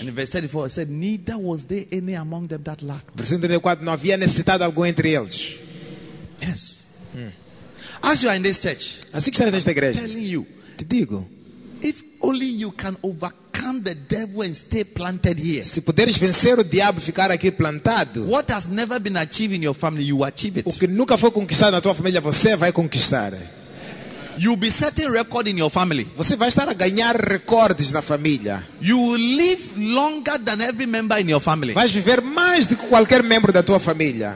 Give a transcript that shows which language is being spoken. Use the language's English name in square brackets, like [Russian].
[English] And in verse 34, it said, neither was there any among them that lacked. [Portuguese] Versículo 34, não havia necessitado algum entre eles. [English] Yes. As you are in this church, [Portuguese] assim que estás nesta igreja, [English] telling you, [Portuguese] te digo, [English] if only you can overcome the devil and stay planted here. [Portuguese] Se puderes vencer o diabo e ficar aqui plantado, [English] what has never been achieved in your family, you achieve it. [Portuguese] O que nunca foi conquistado na tua família, você vai conquistar. [English] You'll be setting record in your family. [Portuguese] Você vai estar a ganhar recordes na família. [English] You will live longer than every member in your family. [Portuguese] Vais viver mais do que qualquer membro da tua família.